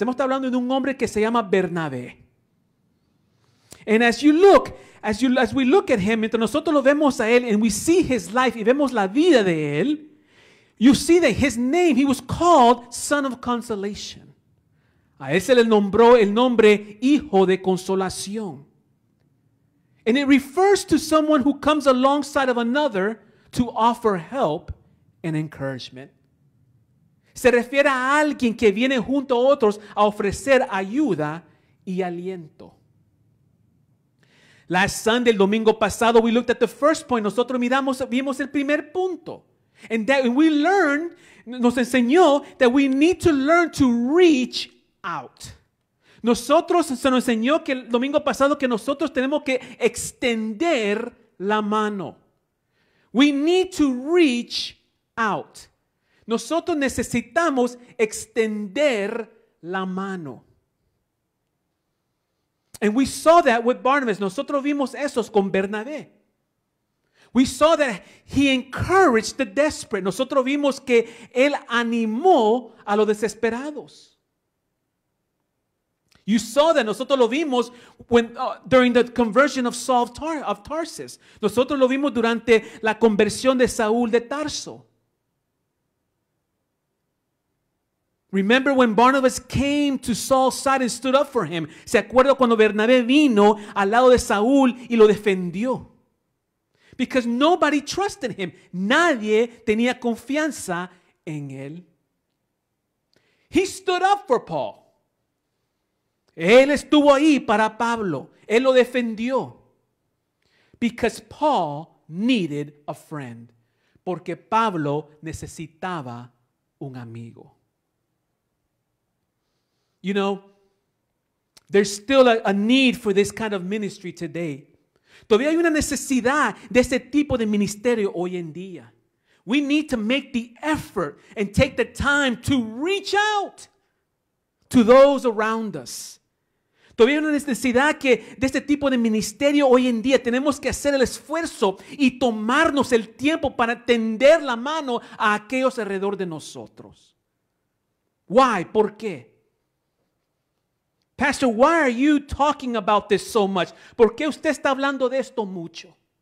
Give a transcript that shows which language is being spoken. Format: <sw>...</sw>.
<es>Hemos estado hablando de un hombre que se llama Bernabé.</es> <en>And as we look at him,</en> <es>mientras nosotros lo vemos a él,</es> <en>and we see his life,</en> <es>y vemos la vida de él,</es> <en>you see that his name, he was called Son of Consolation.</en> <es>A él se le nombró el nombre Hijo de Consolación.</es> <en>And it refers to someone who comes alongside of another to offer help and encouragement.</en> <es>Se refiere a alguien que viene junto a otros a ofrecer ayuda y aliento.</es> <en>Last Sunday,</en> <es>el domingo pasado,</es> <en>we looked at the first point.</en> <es>Nosotros vimos el primer punto. Nos enseñó</es> <en>that we need to learn to reach out.</en> <es>Nosotros, se nos enseñó que el domingo pasado que nosotros tenemos que extender la mano.</es> <en>We need to reach out.</en> <es>Nosotros necesitamos extender la mano.</es> <en>And we saw that with Barnabas.</en> <es>Nosotros vimos eso con Bernabé.</es> <en>We saw that he encouraged the desperate.</en> <es>Nosotros vimos que él animó a los desesperados.</es> <en>You saw that.</en> <es>Nosotros lo vimos</es> <en>during the conversion of Saul of Tarsus.</en> <es>Nosotros lo vimos durante la conversión de Saúl de Tarso.</es> <en>Remember when Barnabas came to Saul's side and stood up for him.</en> <es>Se acuerda cuando Bernabé vino al lado de Saúl y lo defendió.</es> <en>Because nobody trusted him.</en> <es>Nadie tenía confianza en él.</es> <en>He stood up for Paul.</en> <es>Él estuvo ahí para Pablo. Él lo defendió.</es> <en>Because Paul needed a friend.</en> <es>Porque Pablo necesitaba un amigo.</es> <en>You know, there's still a need for this kind of ministry today.</en> <es>Todavía hay una necesidad de este tipo de ministerio hoy en día.</es> <en>We need to make the effort and take the time to reach out to those around us.</en> <es>Todavía hay una necesidad que de este tipo de ministerio hoy en día tenemos que hacer el esfuerzo y tomarnos el tiempo para tender la mano a aquellos alrededor de nosotros.</es> <en>Why?</en> <es>¿Por qué?</es> <en>Pastor, why are you talking about this so much?</en> <es>¿Por qué usted está hablando de esto mucho?</es>